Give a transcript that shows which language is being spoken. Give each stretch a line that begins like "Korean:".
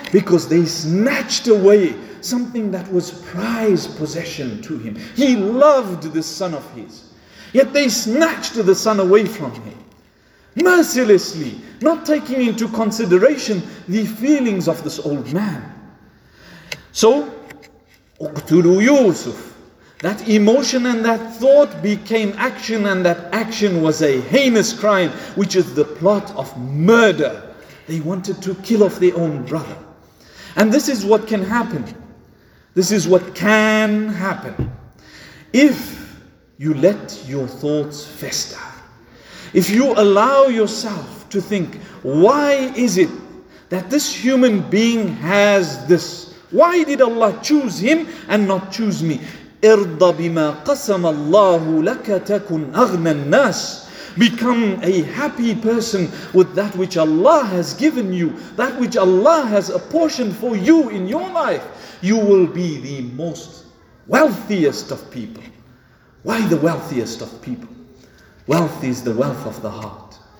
English: Because they snatched away something that was prized possession to him. He loved this son of his. Yet they snatched the son away from him. Mercilessly, not taking into consideration the feelings of this old man. So,
Arabic: اقتلوا يوسف.
English: That emotion and that thought became action, and that action was a heinous crime, which is the plot of murder. They wanted to kill off their own brother. And this is what can happen. This is what can happen. If you let your thoughts fester, if you allow yourself to think, why is it that this human being has this? Why did Allah choose him and not choose me?
Arabic: ارضى بما قسم الله لك تكن أغنى الناس.
English: Become a happy person with that which Allah has given you, that which Allah has apportioned for you in your life. You will be the most wealthiest of people. Why the wealthiest of people? Wealth is the wealth of the heart.